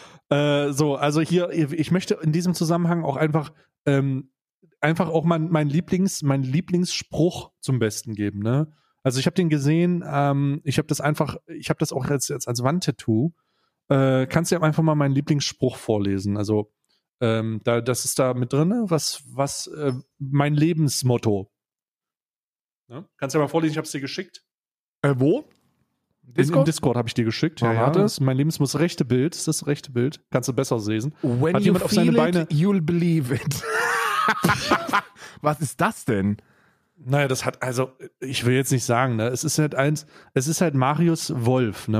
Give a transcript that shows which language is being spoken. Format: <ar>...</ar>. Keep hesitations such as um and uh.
<de>äh, so, also hier, ich möchte in diesem Zusammenhang auch einfach, ähm, einfach auch mein, mein Lieblings, mein Lieblingsspruch zum Besten geben, ne? Also ich habe den gesehen, ähm, ich habe das einfach, ich habe das auch als, als, als Wandtattoo. Äh, kannst du ja einfach mal meinen Lieblingsspruch vorlesen? Also ähm, da, das ist da mit drin, ne? was, was äh, mein Lebensmotto. Ne? Kannst du ja mal vorlesen, ich habe es dir geschickt. äh, wo? In, im Discord habe ich dir geschickt. Ja, ja. Das, mein Lebens muss rechte Bild, ist das rechte Bild. Kannst du besser lesen.</de> <en>When</en> <de>Hat</de> <en>you</en> <de>jemand auf seine</de> <en>feel</en> <de>Beine-</de> <en>it, you'll believe it.</en> <de>Was ist das denn? Naja, das hat, also, ich will jetzt nicht sagen, ne? Es ist halt eins, es ist halt Marius Wolf, ne?</de>